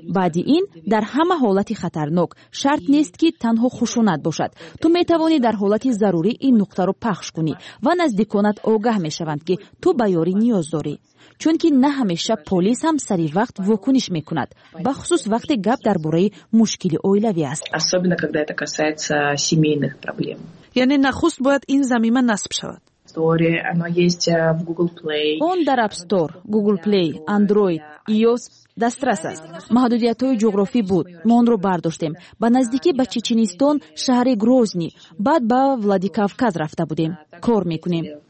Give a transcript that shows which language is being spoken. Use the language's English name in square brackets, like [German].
[Persian] بعد این در همه حالت خطرناک، شرط نیست که تنها خشونت باشد. تو میتوانی در حالت ضروری این نقطه را پخش کنی و نزدیکانت آگاه میشوند که تو به یاری نیاز داری. چون که نه همیشه پلیس هم سری وقت واکنش میکند، به خصوص وقتی گپ درباره مشکل اویلوی است. [Russian] особенно когда это касается сімейних проблем. [Persian] یعنی نخست باید این زمینه نصب شود. [Tajik] Он дар App Store, Google Play, Android, iOS дастрас аст. Маҳдудиятҳои ҷуғрофӣ буд. Мо онро бардоштем. Ба наздикӣ ба Чеченистон, шаҳри Грозни, баъд ба Владикавказ рафта будем. Кор мекунем.